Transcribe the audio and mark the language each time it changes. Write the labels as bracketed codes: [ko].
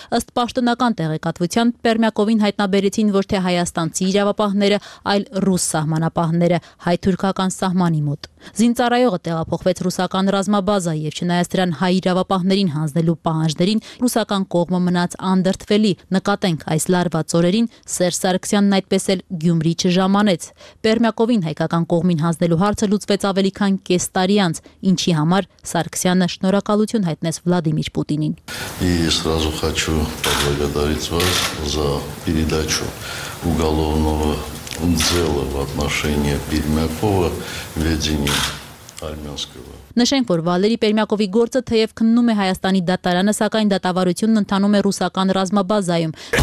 [hy] ըստ պաշտոնական տեղեկատվության Պերմյակովին հայտնաբերեցին ոչ թե հայաստանցի իրավապահները, այլ ռուս սահմանապահները հայ-թուրքական սահմանի մոտ։ Զինծառայողը տեղափոխվեց ռուսական ռազմաբազա եւ չնայած դրան հայ իրավապահներին հանձնելու պահանջներին ռուսական կողմը մնաց անդրդվելի։ Նկատենք, այս լարված օրերին Սերժ Սարգսյանն այդպես էլ Գյումրի չժամանեց։ Պերմյակովին հայկական կողմին հանձնելու հարցը լուծվեց ավելի քան կես տարի անց, ինչի համար Սարգսյանը շնորհակալություն հայտնեց Վլադիմիր Պուտինին։ Ես [ru] сразу хочу поблагодарить вас за передачу уголовного дела в отношении Пермякова в ведении армянского. [hy] Նշենք, որ Վալերի Պերմյակովի գործը թեև քննում է Հայաստանի դատարանը, սակայն դատավարությունն ընդնանում է ռուսական ռազմաբազայում։